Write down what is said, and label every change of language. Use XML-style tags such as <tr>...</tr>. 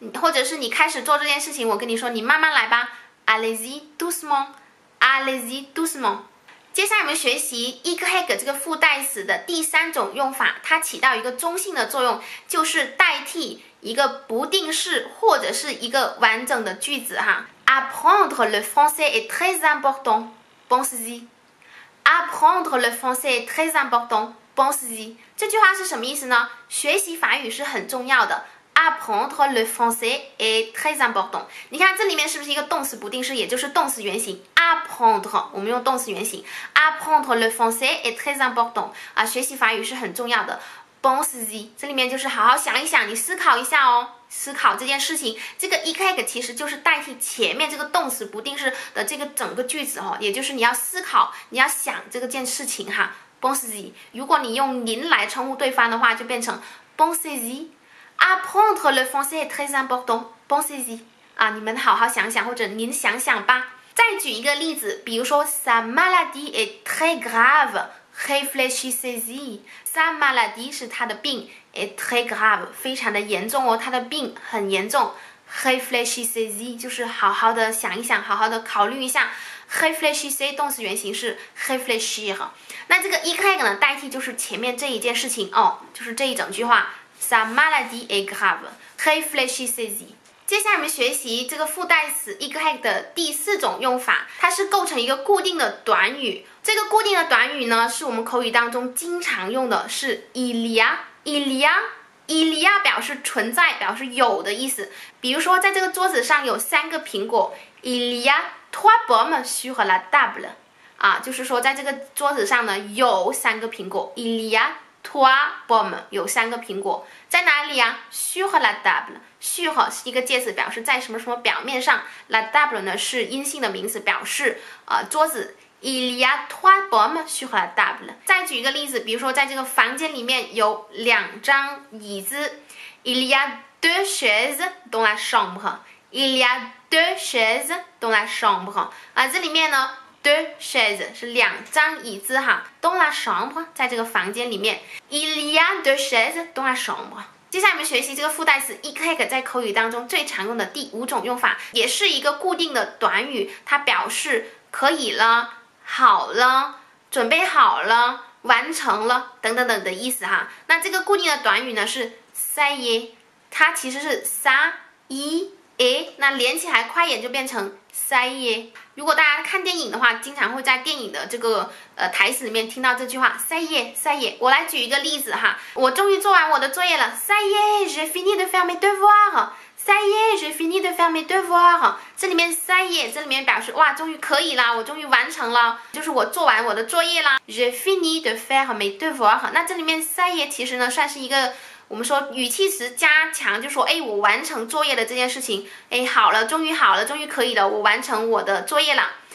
<zh>或者是你开始做这件事情，我跟你说，你慢慢来吧。</zh> <fr>Allez-y, doucement, allez-y, doucement。</fr> <zh>接下来我们学习 igheg 这个附带词的第三种用法，它起到一个中性的作用，就是代替一个不定式或者是一个完整的句子哈。</zh> <fr>Apprendre le français est très important. Pensez-y. Apprendre le français est très important.</fr> <zh>这句话是什么意思呢？学习法语是很重要的。</zh> <fr>Apprendre le français est très important。</fr> <zh>你看这里面是不是一个动词不定式，也就是动词原形 Apprendre， 我们用动词原形</zh> <fr>Apprendre le français est très important、</fr> <zh>学习法语是很重要的。</zh> <fr>Pensez-y，</fr> <zh>这里面就是好好想一想，你思考一下哦，思考这件事情。这个 igheg 其实就是代替前面这个动词不定式的这个整个句子、也就是你要思考，你要想这个件事情哈。</zh> <fr>Pensez-y，</fr> <zh>如果你用您来称呼对方的话，就变成 Pensez-y。</zh> <fr>Apprendre le français est très important. Pensez-y、</fr> <zh>你们好好想想，或者您想想吧。再举一个例子，比如说</zh> <fr>Sa maladie est très grave. Réfléchissez-y. Sa maladie</fr> <zh>是他的病，</zh> <fr>est très grave</fr> <zh>非常的严重哦，他的病很严重。</zh> <fr>Réfléchissez-y</fr> <zh>就是好好的想一想，好好的考虑一下。 Réfléchissez 动词原形是 réfléchir， 那这个 igheg 呢代替就是前面这一件事情哦，就是这一整句话。</zh> <fr>Sa maladie est grave. Réfléchissez。</fr> <zh>接下来我们学习这个附带词 igheg 的第四种用法，它是构成一个固定的短语。这个固定的短语呢，是我们口语当中经常用的，是 il y a 表示存在，表示有的意思。比如说在这个桌子上有三个苹果，</zh> <fr>il y aTrois pommes sur la table，</fr> <zh>啊，就是说在这个桌子上呢有三个苹果。</zh> <fr>Il y a trois pommes，</fr> <zh>有三个苹果，在哪里啊？</zh> <fr>Sur la table，</fr> <zh>sur 是一个介词，表示在什么什么表面上。 La table 呢是阴性的名词，表示桌子。</zh> <fr>Il y a trois pommes sur la table。</fr> <zh>再举一个例子，比如说在这个房间里面有两张椅子。</zh> <fr>Il y a deux chaises dans la chambre。 Il y a deux chaises dans la chambre、</fr> <zh>这里面呢</zh> <fr>deux chaises</fr> <zh>是两张椅子哈，</zh> <fr>dans la chambre</fr> <zh>在这个房间里面。</zh> <fr>Il y a deux chaises dans la chambre。</fr> <zh>接下来我们学习这个附带词 igheg 在口语当中最常用的第五种用法，也是一个固定的短语，它表示可以了、好了、准备好了、完成了等等等的意思哈。那这个固定的短语呢是</zh> <fr>ça y est，</fr> <zh>它其实是 ça y est，那连起来快一点就变成 ça y est。如果大家看电影的话，经常会在电影的这个台词里面听到这句话</zh> <fr>ça y est ça y est。</fr> <zh>我来举一个例子哈，我终于做完我的作业了，</zh> <fr>ça y est j'ai fini de faire mes devoirs，</fr> <zh>ça y est j'ai fini de faire mes devoirs。这里面</zh> <fr>ça y est</fr> <zh>这里面表示哇终于可以了，我终于完成了，就是我做完我的作业了。</zh> <fr>j'ai fini de faire mes devoirs，</fr> <zh>那这里面 ça y est 其实呢算是一个我们说语气词加强，就说哎，我完成作业的这件事情，哎，好了，终于好了，终于可以了，我完成我的作业了。</zh>